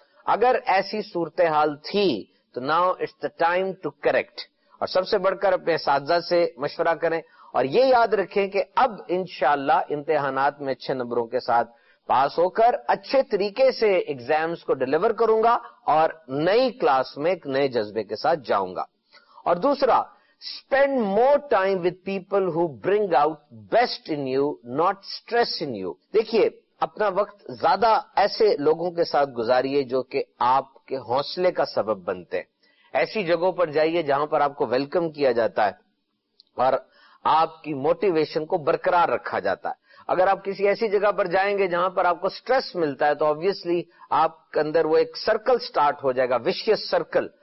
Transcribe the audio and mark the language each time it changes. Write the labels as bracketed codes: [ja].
[ur] اگر ایسی صورتحال تھی تو [en] now it's the time to correct, [ur] اور سب سے بڑھ کر اپنے اساتذہ سے مشورہ کریں، اور یہ یاد رکھیں کہ اب انشاءاللہ امتحانات میں اچھے نمبروں کے ساتھ پاس ہو کر اچھے طریقے سے ایگزامز کو ڈیلیور کروں گا اور نئی کلاس میں ایک نئے جذبے کے ساتھ جاؤں گا۔ اور دوسرا، [en] spend more time with people who bring out best in you, not stress in you. [ur] دیکھیے اپنا وقت زیادہ ایسے لوگوں کے ساتھ گزاریے جو کہ آپ کے حوصلے کا سبب بنتے ہیں. ایسی جگہوں پر جائیے جہاں پر آپ کو ویلکم کیا جاتا ہے اور آپ کی موٹیویشن کو برقرار رکھا جاتا ہے. اگر آپ کسی ایسی جگہ پر جائیں گے جہاں پر آپ کو سٹریس ملتا ہے تو آبویسلی آپ کے اندر وہ ایک سرکل سٹارٹ ہو جائے گا, [en] Vicious circle.